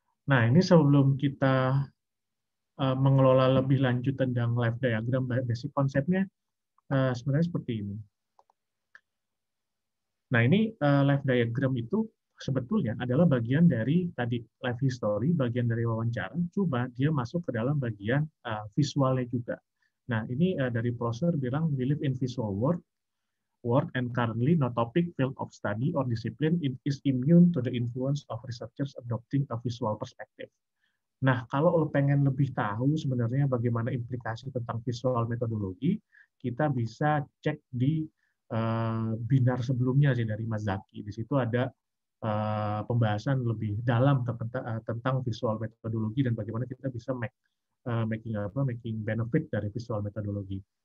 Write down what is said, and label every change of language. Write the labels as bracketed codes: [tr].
[id] Nah, ini sebelum kita mengelola lebih lanjut tentang life diagram, basic konsepnya sebenarnya seperti ini. Nah, ini life diagram itu sebetulnya adalah bagian dari tadi life history, bagian dari wawancara, cuma dia masuk ke dalam bagian visualnya juga. Nah, ini dari Prosser bilang, [en] we live in visual world, awkward and currently no topic, field of study, or discipline is immune to the influence of researchers adopting a visual perspective. [id] Nah, kalau lo pengen lebih tahu sebenarnya bagaimana implikasi tentang visual metodologi, kita bisa cek di binar sebelumnya sih dari Mas Zaki. Di situ ada pembahasan lebih dalam tentang visual metodologi dan bagaimana kita bisa [en] making benefit [id] dari visual metodologi.